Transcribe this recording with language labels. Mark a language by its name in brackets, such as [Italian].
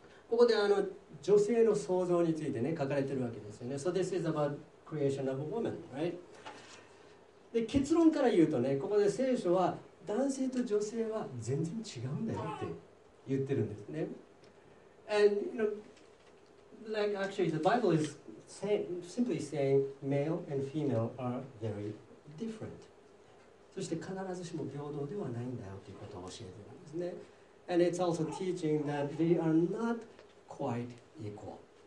[Japanese] ここで女性の創造についてね、書かれてるわけですよね。 [English] So this is about creation of a woman, right? [Japanese] で、結論から言うとね、ここで聖書は男性と女性は全然違うんだよって言ってるんですね。 [English] And you know, like actually the Bible is saying, simply saying male and female are very different. [Japanese] そして必ずしも平等ではないんだよということを教えてるんですね。 [English] And it's also teaching that they are not quite equal.